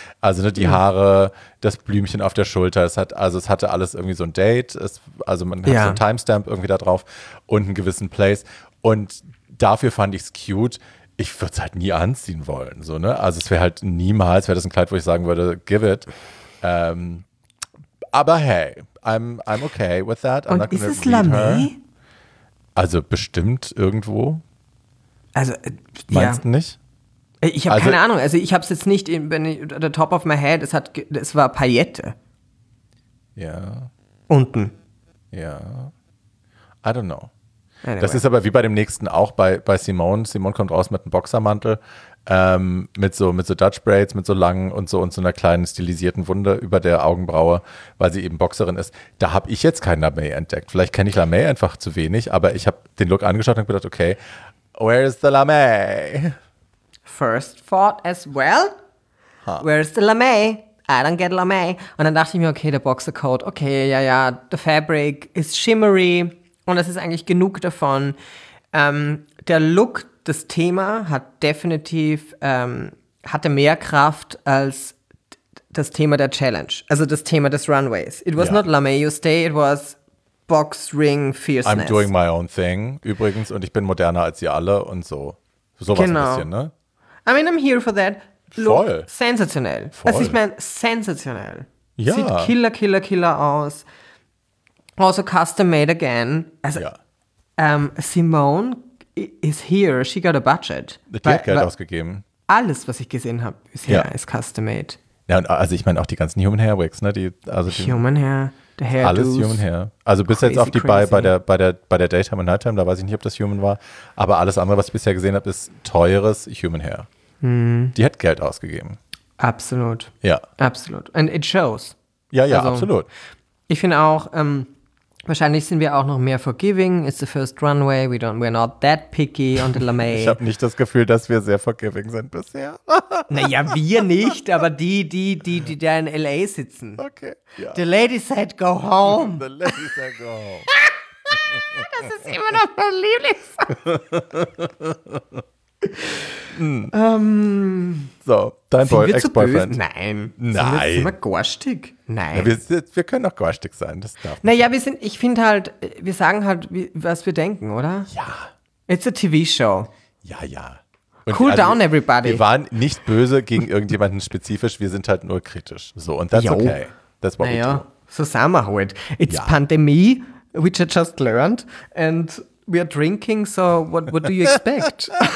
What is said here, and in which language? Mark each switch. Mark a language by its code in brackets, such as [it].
[de] Also ne, die Haare, das Blümchen auf der Schulter, es hatte alles irgendwie so ein Date, man hat so ein Timestamp irgendwie da drauf und einen gewissen Place. Und dafür fand ich es cute. Ich würde es halt nie anziehen wollen. So, ne? Also es wäre halt niemals, wäre das ein Kleid, wo ich sagen würde, [en] give it. Aber hey, I'm okay with that. I'm [de] und not ist es Lamé? Also bestimmt irgendwo. Also meinst du nicht? Ich habe also, keine Ahnung. Also ich habe es jetzt nicht [en] the top of my head. [de] Es war Paillette. Ja. Unten. [en] Ja. I don't know. Anyway. [de] Das ist aber wie bei dem nächsten auch bei Simone. Simone kommt raus mit einem Boxermantel, mit so Dutch Braids, mit so langen und so einer kleinen stilisierten Wunde über der Augenbraue, weil sie eben Boxerin ist. Da habe ich jetzt keinen Lamé entdeckt. Vielleicht kenne ich Lamé einfach zu wenig, aber ich habe den Look angeschaut und gedacht, okay, [en] where is the Lamé? First thought as well. Huh. Where is the Lamé? I don't get Lamé. [de] Und dann dachte ich mir, okay, der Boxercode, okay, ja, [en] the fabric is shimmery. [de] Und es ist eigentlich genug davon. Der Look, das Thema hat definitiv, hatte mehr Kraft als das Thema der Challenge. Also das Thema des Runways. [en] It was not Lamé You Stay, it was Box Ring Fierceness. I'm doing my own thing, [de] übrigens. Und ich bin moderner als ihr alle und so. So was genau. Ein bisschen, ne? [en] I mean, I'm here for that. [de] Look, voll. Sensationell. Voll. Also ich meine, sensationell. Ja. Sieht killer aus. Also [en] custom made again. Also, Simone is here. She got a budget. [de] Die hat Geld ausgegeben. Alles, was ich gesehen habe bisher, ist custom made. Ja, und also ich meine auch die ganzen Human Hair Wigs, ne? [en] Human Hair, the Hair. [de] Alles Human Hair. Also bis jetzt auf die bei der Daytime und Nighttime, da weiß ich nicht, ob das Human war. Aber alles andere, was ich bisher gesehen habe, ist teures Human Hair. Mm. Die hat Geld ausgegeben. Absolut. Ja. [en] Absolut. And it shows. [de] Ja, also, absolut. Ich finde auch, wahrscheinlich sind wir auch noch mehr forgiving. [en] It's the first runway. We're not that picky on the Lamé. [de] Ich habe nicht das Gefühl, dass wir sehr forgiving sind bisher. Naja, wir nicht, aber die da in L.A. sitzen. Okay. Ja. [en] The lady said go home. The lady said go home. [de] Das ist immer noch mein Lieblings. So, dein Ex-Boyfriend. Nein. Sind wir gorstig? Nein. Ja, wir können auch gorstig sein, das darf man. Naja, ich finde halt, wir sagen halt, was wir denken, oder? Ja. [en] It's a TV-Show. [de] Ja. [en] Und cool down, everybody. [de] Wir waren nicht böse gegen irgendjemanden spezifisch, wir sind halt nur kritisch. [en] So, und that's okay. That's what we do. [de] So sind wir halt. [en] It's Pandemie, which I just learned, and we are drinking, so what do you expect?